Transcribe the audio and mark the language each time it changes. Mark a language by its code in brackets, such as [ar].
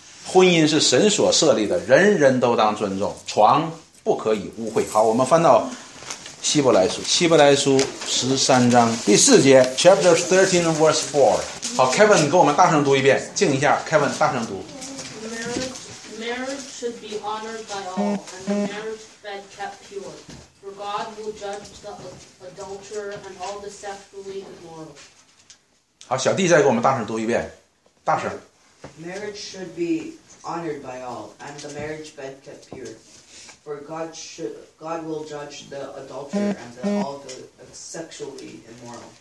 [zh] 婚姻是神所设立的，人人都当尊重，床不可以污秽。好，我们翻到希伯来书，希伯来书十三章第四节 [en] Chapter 13 verse 4。 [zh] 好 ，Kevin， 你跟我们大声读一遍，静一下 ，Kevin， 大声读。 [en] Marriage should be honored by all, and the marriage bed kept pure, for God will judge the adulterer and all deceptively immoral. [zh] 好，小弟再给我们大声读一遍，大声。 [en] Marriage should be honored by all, and the marriage bed kept pure. For God will judge the adulterer and all the sexually immoral.